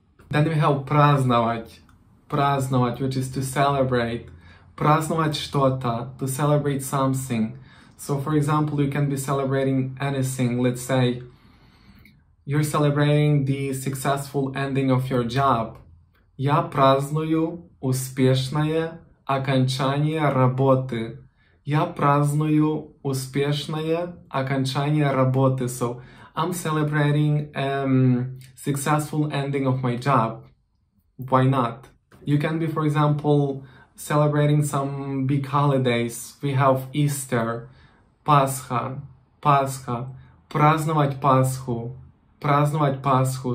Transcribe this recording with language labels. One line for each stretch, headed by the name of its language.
English: Then we have
Russian: праздновать. Праздновать,
English: which is to celebrate.
Russian: Праздновать что-то,
English: to celebrate something. So, for example, you can be celebrating anything. Let's say you're celebrating the successful ending of your job.
Russian: Я праздную успешное окончание работы. Я праздную успешное окончание работы.
English: So, I'm celebrating successful ending of my job. Why not? You can be, for example, celebrating some big holidays. We have Easter, Pascha, Pascha.
Russian: Праздновать Пасху. Праздновать Пасху.